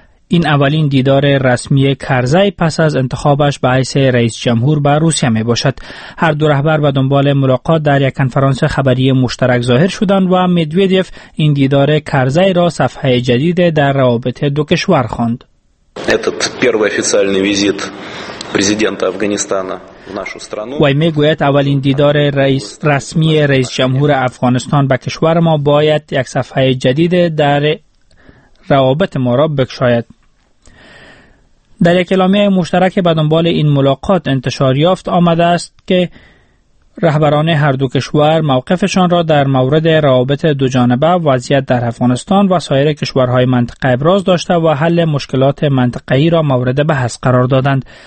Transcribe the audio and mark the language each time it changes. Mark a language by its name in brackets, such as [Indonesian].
[Persian] این اولین دیدار رسمی کرزی پس از انتخابش به حیث رئیس جمهور به روسیه می باشد. هر دو رهبر به دنبال ملاقات در یک کنفرانس خبری مشترک ظاهر شدند و مدودیف این دیدار کرزی را صفحه جدید در روابط دو کشور خواند. [Russian] Этот первый официальный визит президента Афганистана в нашу страну. [Persian] وی میگوید اولین دیدار رسمی رئیس جمهور افغانستان به کشور ما باید یک صفحه جدید در روابط ما را بکشاید. در یک اعلامیه مشترک به دنبال این ملاقات انتشار یافت آمده است که رهبران هر دو کشور موقفشان را در مورد روابط دو جانبه، وضعیت در افغانستان و سایر کشورهای منطقه ابراز داشته و حل مشکلات منطقه‌ای را مورد بحث قرار دادند.